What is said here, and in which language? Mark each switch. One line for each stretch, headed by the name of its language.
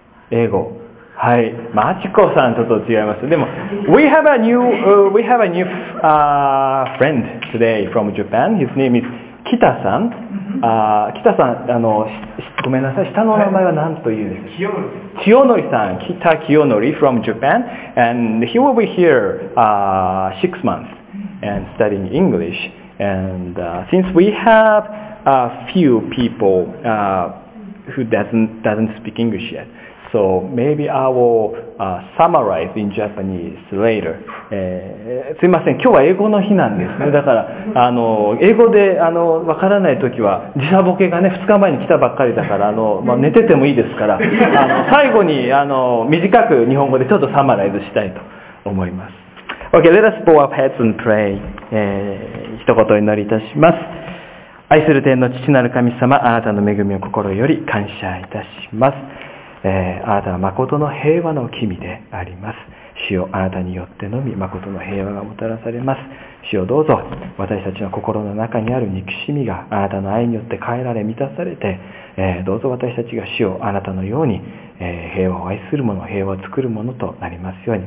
Japanese: 英語。はい、マチコさんちょっと違います。でも、
English: we have a new friend today from Japan. His name is Kita さん。Kita さん、
Japanese: ごめんなさい。下の名前は何と言うんですか？清則
English: さん。Kita Kiyonori from Japan. And he will be here, 6 months and studying English. And, since we have a few people, who doesn't speak English yet. So maybe I will summarize in Japanese later.
Japanese: すいません、今日は英語の日なんですね。だから英語でわからないときは時差ボケがね、2日前に来たばっかりだから寝ててもいいですから、最後に短く日本語でちょっとサマライズしたいと思います。
English: Okay, let us bow our heads and pray.
Japanese: 一言お祈りいたします。愛する天の父なる神様、あなたの恵みを心より感謝いたします。あなたは誠の平和の君であります。主よ、あなたによってのみ誠の平和がもたらされます。主よ、どうぞ私たちの心の中にある憎しみがあなたの愛によって変えられ満たされて、どうぞ私たちが主よ、あなたのように、平和を愛する者、平和を作る者となりますように。